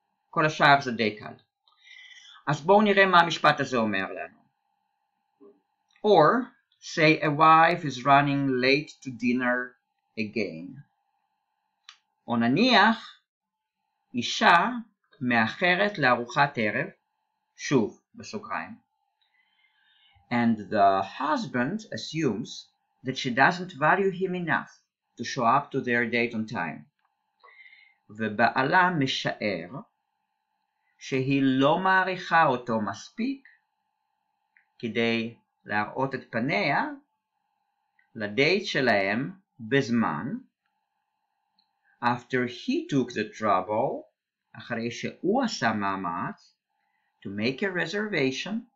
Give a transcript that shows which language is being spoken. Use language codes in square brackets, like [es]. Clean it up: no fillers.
[he] כל השאר זה די קל. אז בואו נראה מה המשפט הזה אומר לנו. [en] Or, say a wife is running late to dinner again. [he] או נניח, אישה מאחרת לארוחת ערב, שוב, בסוגריים. [en] And the husband assumes that she doesn't value him enough to show up to their date on time. [he] ובעלה משער, שהיא לא מעריכה אותו מספיק כדי להראות את פניה לדייט שלהם בזמן, [en] after he took the trouble, [he] אחרי שהוא עשה מאמץ, [en] to make a reservation,